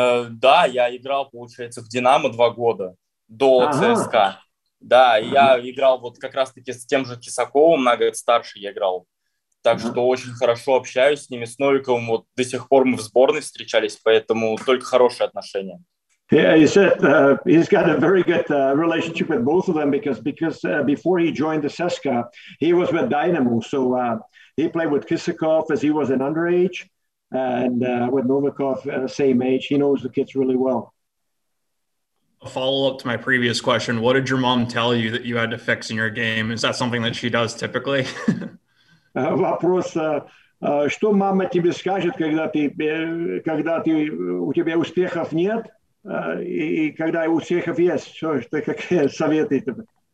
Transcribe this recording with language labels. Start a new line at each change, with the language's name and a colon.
Russian: Да, я грав, получается, в Динамо 2 года до ЦСКА. Да, я грав вот как раз таки с тем же Кисаковым, на год старше я грав. Так что очень хорошо общаюсь с ними, с Новиковым. Вот до сих пор мы в сборной встречались, поэтому только хорошие отношения.
English: Yeah, he said he's got a very good relationship with both of them because before he joined the CSKA, he was with Dynamo. So he played with Kisikov as he was an underage and with Novikov, same age. He knows the kids really well. A follow-up to my previous question, what did your mom tell you that you had to fix in your game? Is that something that she does typically?
Russian: Вопрос... что мама тебе скажет, когда ты у тебя успехов нет? И когда у всех есть, что какие советы тебе?